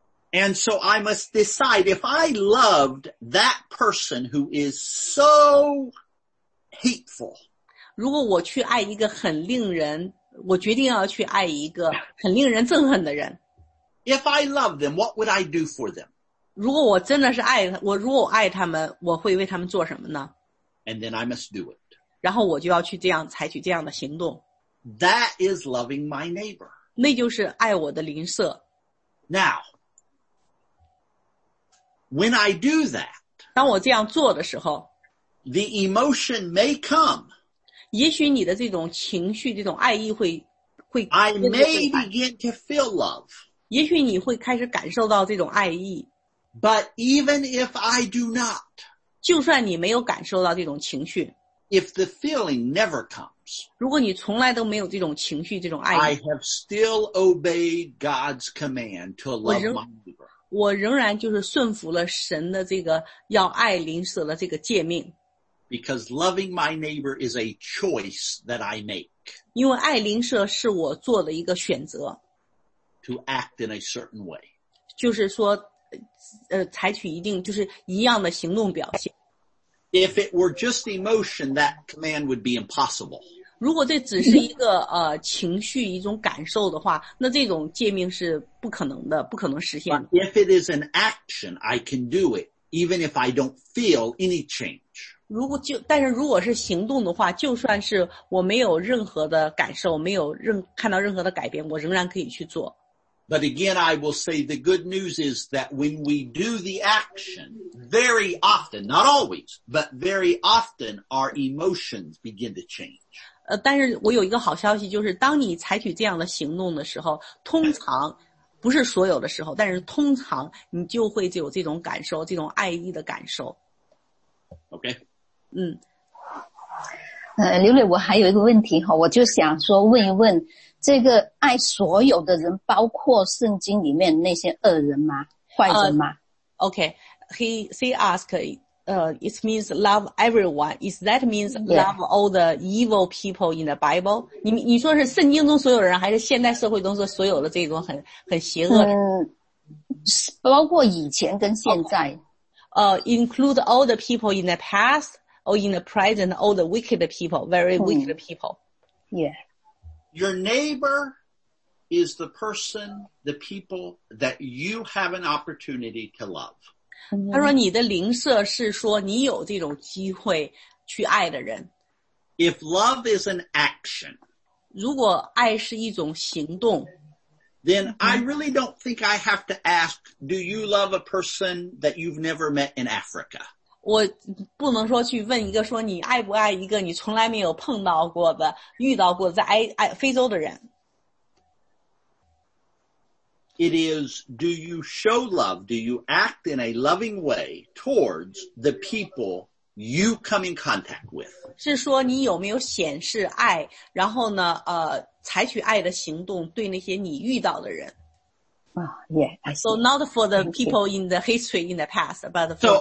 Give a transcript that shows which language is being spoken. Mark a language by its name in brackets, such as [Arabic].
[English] And so I must decide if I loved that person who is so hateful. [Chinese] 如果我去爱一个很令人，我决定要去爱一个很令人憎恨的人。 [English] If I loved them, what would I do for them? [Chinese] 如果我真的是爱，我如果我爱他们，我会为他们做什么呢？ [English] And then I must do it. [Chinese] 然后我就要去这样，采取这样的行动。 [English] That is loving my neighbor. [Chinese] 那就是爱我的邻舍。 [English] Now, when I do that, [Chinese] 当我这样做的时候 [English] the emotion may come. [Chinese] 也许你的这种情绪，这种爱意会，会。 [English] I may begin to feel love. [Chinese] 也许你会开始感受到这种爱意。 [English] But even if I do not, [Chinese] 就算你没有感受到这种情绪 [English] if the feeling never comes, [Chinese] 如果你从来都没有这种情绪这种爱意 [English] I have still obeyed God's command to love my neighbor [Chinese] 我仍然就是顺服了神的这个要爱邻舍的这个诫命 [English] Because loving my neighbor is a choice that I make [Chinese] 因为爱邻舍是我做的一个选择 [English] To act in a certain way [Chinese] 就是说采取一定就是一样的行动表现 [English] If it were just emotion, that command would be impossible. [Chinese] 如果这只是一个情绪一种感受的话，那这种诫命是不可能的，不可能实现的。 [English] But if it is an action, I can do it, even if I don't feel any change. [Chinese] 如果就但是如果是行动的话，就算是我没有任何的感受，没有任看到任何的改变，我仍然可以去做。 [English] But again, I will say the good news is that when we do the action, very often, not always, but very often, our emotions begin to change. [Chinese] 但是我有一个好消息，就是当你采取这样的行动的时候，通常，不是所有的时候，但是通常你就会就有这种感受，这种爱意的感受。 [English] Okay. [Chinese] 刘磊，我还有一个问题哈，我就想说问一问。这个爱所有的人包括圣经里面那些恶人吗坏人吗 [English] He asked, it means love everyone. Is that means love all the evil people in the Bible? [Chinese] 你说是圣经中所有人还是现代社会中所有的这种很邪恶人、包括以前跟现在。 [English] Include all the people in the past or in the present, all the wicked people, very wicked people. Yeah. Your neighbor is the person, the people that you have an opportunity to love. [Chinese] 他说你的邻舍是说你有这种机会去爱的人。 [English] If love is an action, [Chinese] 如果爱是一种行动 [English] then I really don't think I have to ask, do you love a person that you've never met in Africa? [Chinese] 我不能说去问一个说你爱不爱一个你从来没有碰到过的遇到过在非洲的人。 [English] It is, do you show love, do you act in a loving way towards the people you come in contact with? [Chinese] 是说你有没有显示爱然后呢采取爱的行动对那些你遇到的人。 [English] Yeah, so not for the people in the history in the past, but for...